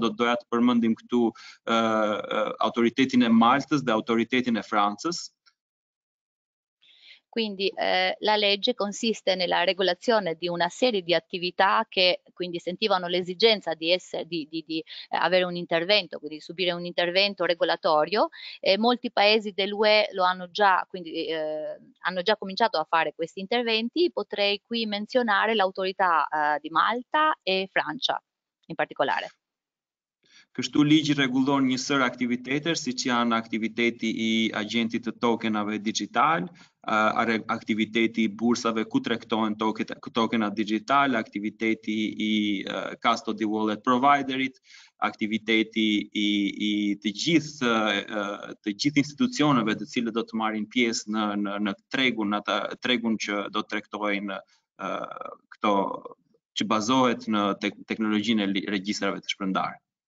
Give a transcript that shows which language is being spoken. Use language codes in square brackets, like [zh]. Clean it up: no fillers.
[sq] Do doja të përmendim këtu autoritetin e Maltës dhe autoritetin e Francës. [it] Quindi la legge consiste nella regolazione di una serie di attività che quindi sentivano l'esigenza di avere un intervento, quindi subire un intervento regolatorio. E molti paesi dell'UE lo hanno già, quindi hanno già cominciato a fare questi interventi. Potrei qui menzionare l'autorità di Malta e Francia in particolare. [sq] Kështu ligji rregullon një sër aktivitete, siç janë aktiviteti I agjentit të tokenave digital, aktiviteti I bursave ku tregtohen tokenat digital, aktiviteti I custody wallet providerit, aktiviteti I të gjithë institucioneve të cilët do të marrin pjesë në tregun, tregun që do të tregtojnë këto që bazohet në teknologjinë e regjistrave të shpërndarë.